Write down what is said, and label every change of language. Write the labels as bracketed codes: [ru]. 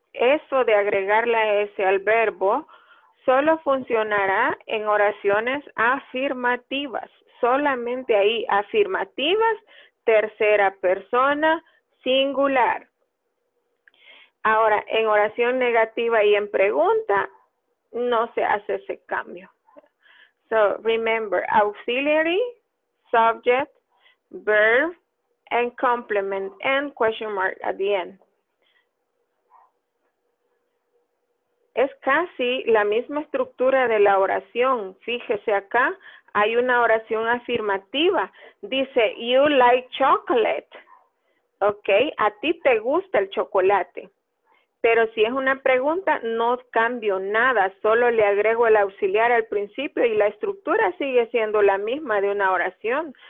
[es] Eso de agregar la S al verbo solo funcionará en oraciones afirmativas. Solamente ahí, afirmativas, tercera persona, singular. Ahora, en oración negativa y en pregunta, no se hace ese cambio. [en] So, remember, auxiliary, subject, verb, and complement, and question mark at the end. [es] Es casi la misma estructura de la oración. Fíjese acá. Hay una oración afirmativa. Dice, [en] you like chocolate. [es] Ok, a ti te gusta el chocolate. Pero si es una pregunta, no cambio nada. Solo le agrego el auxiliar al principio y la estructura sigue siendo la misma de una oración.